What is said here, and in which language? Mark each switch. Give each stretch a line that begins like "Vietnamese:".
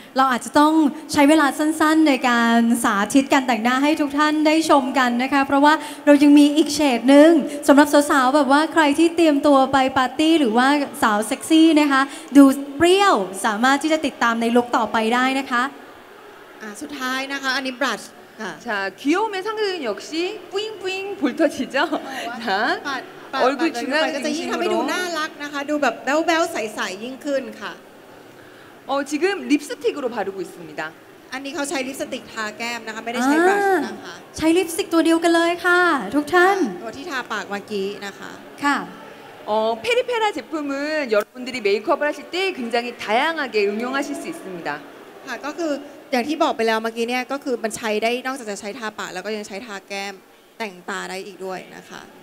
Thai: เราอาจจะต้องใช้เวลาสั้นๆในการสาธิตการแต่งหน้าให้ทุกท่านได้ชมกันนะคะเพราะว่าเรายังมีอีกเฉดนึงสำหรับสาวๆแบบว่าใครที่เตรียมตัวไปปาร์ตี้หรือว่าสาวเซ็กซี่นะคะดูเปรี้ยวสามารถที่จะติดตามในลุคต่อไปได้นะคะ สุดท้ายนะคะอันนี้บลัชค่ะ
Korean: 자귀여움의상징역시뿌잉뿌잉불터지죠자얼굴중앙 중심으로
Thai: ทำให้ดูน่ารักนะคะดูแบบแบ๊วๆใสๆยิ่งขึ้นค่ะ
Korean: 지금립스틱으로바르고있습니다
Thai: อันนี้เขาใช้ลิปสติกทาแก้มนะคะไม่ได้ใช้บลัชนะคะ ใช้ลิปสติกตัวเดียวกันเลยค่ะทุกท่าน ตัวที่ทาปากเมื่อกี้นะคะ ค่ะ
Korean: เพริเพรา제품은여러분들이메이크업을하실때굉장히다양하게응용하실수있습니다
Thai: ค่ะก็คืออย่างที่บอกไปแล้วเมื่อกี้เนี่ยก็คือมันใช้ได้นอกจากจะใช้ทาปากแล้วก็ยังใช้ทาแก้มแต่งตาได้อีกด้วยนะคะ